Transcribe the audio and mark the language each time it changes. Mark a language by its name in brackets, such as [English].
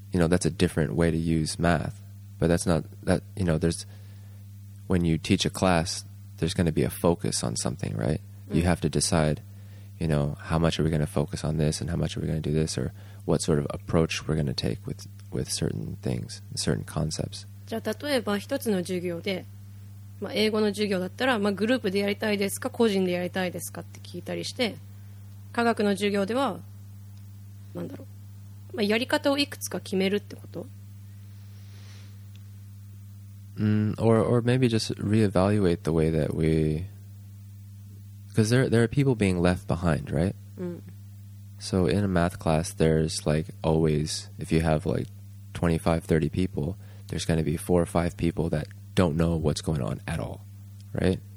[English] You know, that's a different way to use math. But that's not that, you know, there's when you teach a class, there's going to be a focus on something, right? Mm-hmm. You have to decide, you know, how much are we going to focus on this and how much are we going to do this, or what sort of approach we're going to take with certain things, certain concepts. [Japanese] じゃあ例えば一つの授業で、まあ、英語の授業だったら、まあ、グループでやりたいですか個人でやりたいですかって聞いたりして、科学の授業では何だろう、まあ、やり方をいくつか決めるってこと、 [English] or maybe just reevaluate the way that we, because there are people being left behind, right? So in a math class, there's like always, if you have like 25, 30 people, there's going to be 4 or 5 people that don't know what's going on at all, right?